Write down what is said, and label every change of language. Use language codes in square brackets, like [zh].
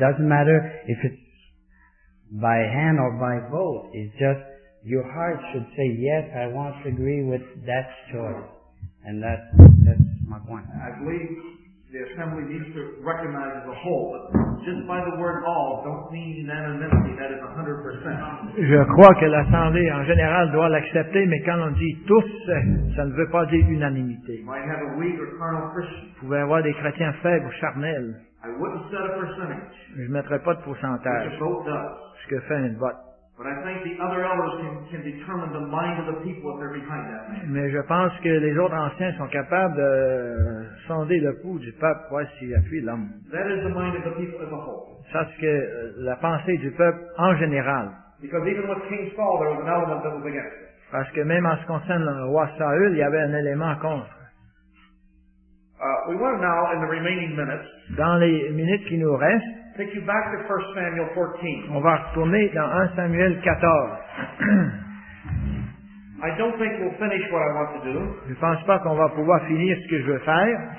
[en] Doesn't matter if it's by hand or by vote. It's just your heart should say, yes, I want to agree with that choice. And that's my point. I believe the assembly needs to recognize as a whole. But just by the word all don't mean unanimity. That is 100%. [fr] Je crois que l'assemblée en général doit l'accepter, mais quand on dit tous, ça ne veut pas dire unanimité. [en] You might have a weak or carnal Christian. [fr] Vous pouvez avoir des chrétiens faibles ou charnels. [en] I wouldn't set a percentage. [fr] Je ne mettrais pas de pourcentage. [en] Which a vote does. [fr] Ce que fait une vote. [en] But I think the other elders can determine the mind of the people if they're behind that. [fr] Mais je pense que les autres anciens sont capables de sonder le pouls du peuple pour voir s'il appuie l'homme. [en] That is the mind of the people as a whole. [fr] Ça, c'est que la pensée du peuple en général. [en] Because even with King Saul, there was an element that was against it. [fr] Parce que même en ce qui concerne le roi Saül, il y avait un élément contre. [en] We want to now, in the remaining minutes. [fr] Dans les minutes qui nous restent. [en] Take you back to 1 Samuel 14. [fr] On va retourner dans 1 Samuel 14. [en] I don't think we'll finish what I want to do. [fr] Je pense pas qu'on va pouvoir finir ce que je veux faire.